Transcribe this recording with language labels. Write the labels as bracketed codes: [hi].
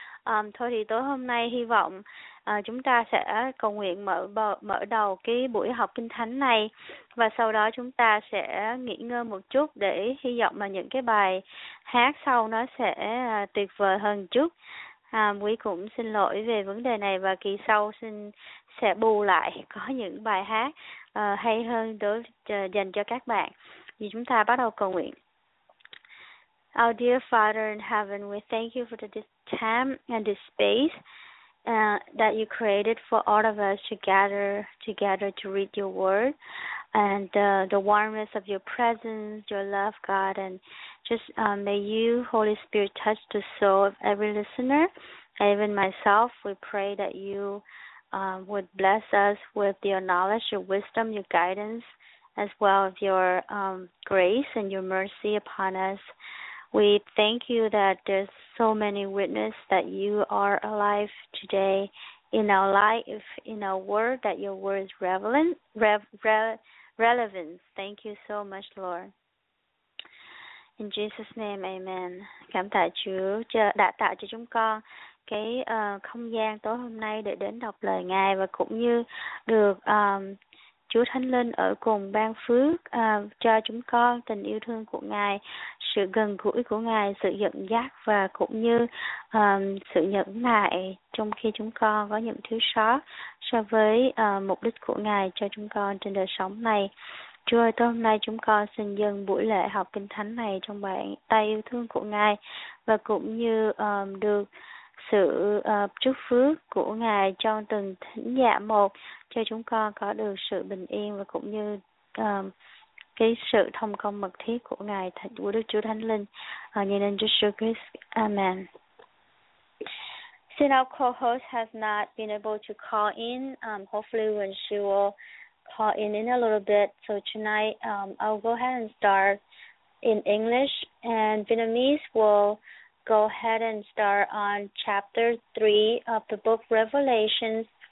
[vi] Thôi thì tối hôm nay hy vọng chúng ta sẽ cầu nguyện mở đầu cái buổi học Kinh Thánh này, và sau đó chúng ta sẽ nghỉ ngơi một chút để hy vọng là những cái bài hát sau nó sẽ tuyệt vời hơn chút. Quý cũng xin lỗi về vấn đề này, và kỳ sau xin sẽ bù lại có những bài hát hay hơn đối dành cho các bạn. Thì chúng ta bắt đầu cầu nguyện. [en] Our dear Father in heaven, we thank you for this time and this space that you created for all of us to gather together to read your word, and the warmth of your presence, your love, God, and just may you, Holy Spirit, touch the soul of every listener, even myself. We pray that you would bless us with your knowledge, your wisdom, your guidance, as well as your grace and your mercy upon us. We thank you that there's so many witnesses that you are alive today in our life, in our word, that your word is relevant. Thank you so much, Lord. In Jesus' name, amen. [vi] Cảm tạ Chúa đã tạo cho chúng con cái không gian tối hôm nay để đến đọc lời Ngài, và cũng như được Chúa Thánh Linh ở cùng ban phước cho chúng con tình yêu thương của Ngài, sự gần gũi của Ngài, sự dẫn dắt và cũng như sự nhẫn nại trong khi chúng con có những thiếu sót so với mục đích của Ngài cho chúng con trên đời sống này. Chúa ơi, tối hôm nay chúng con xin dâng buổi lễ học Kinh Thánh này trong bàn tay yêu thương của Ngài, và cũng như được sự chúc phước của Ngài trong từng thính giả một, cho chúng con có được sự bình yên và cũng như cái sự thông công mật thiết của Ngài, của Đức Chúa Thánh Linh, nhân danh Jesus Christ, amen. [en] Since our co-host has not been able to call in, hopefully when she will call in a little bit, so tonight I'll go ahead and start in English, and Vietnamese will go ahead and start on chapter 3 of the book Revelations.